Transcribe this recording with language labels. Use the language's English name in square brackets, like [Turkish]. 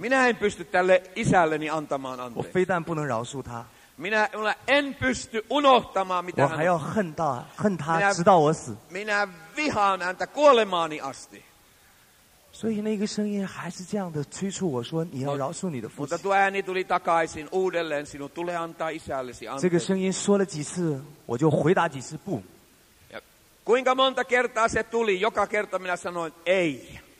[Finnish] Minä en pysty tälle isälleni antamaan anteeksi. [Chinese] 我非但不能饶恕他。 [Finnish] Minä en pysty unohtamaan, mitä hän... [Chinese] 我还要恨他直到我死。 [Finnish] Minä vihaan häntä kuolemaani asti. [Chinese] 所以那个声音还是这样的催促我说：“你要饶恕你的父亲。”Mutta [Finnish] tuo ääni tuli takaisin uudelleen, sinun tulee antaa isällesi anteeksi. [Chinese] 这个声音说了几次，我就回答几次不。 [Finnish] Kuinka monta kertaa se tuli? Joka kerta minä sanoin ei.